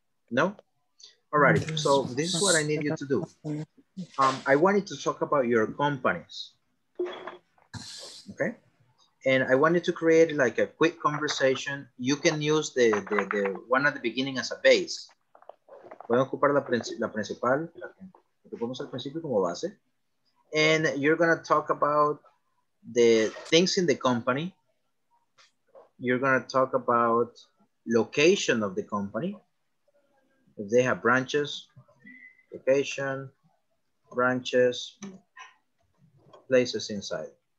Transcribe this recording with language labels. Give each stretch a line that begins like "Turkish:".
English: No? All right, so this is what I need you to do. I wanted to talk about your companies, okay? And I wanted to create like a quick conversation. You can use the one at the beginning as a base.
Spanish: Voy a ocupar la principal, lo que ocupamos al principio como base.
English: And you're gonna talk about the things in the company. You're gonna talk about location of the company. If they have branches, location, branches, places inside.